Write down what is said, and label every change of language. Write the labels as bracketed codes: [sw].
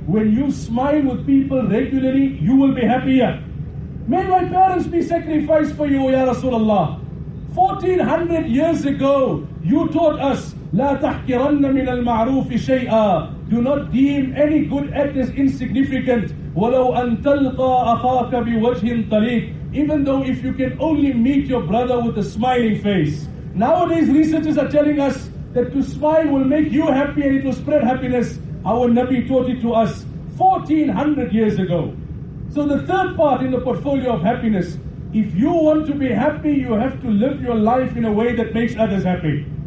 [en] When you smile with people regularly, you will be happier. May my parents be sacrificed for you, Ya Rasulallah. 1400 years ago, you taught us, [ar] لا تحقرن من المعروف شيئا. [en] Do not deem any good act as insignificant. [ar] ولو أن تلقى أخاك بوجه طليق. [en] Even though if you can only meet your brother with a smiling face. Nowadays, researchers are telling us that to smile will make you happy and it will spread happiness. Our Nabi taught it to us 1400 years ago. So the 3rd part in the portfolio of happiness, if you want to be happy, you have to live your life in a way that makes others happy.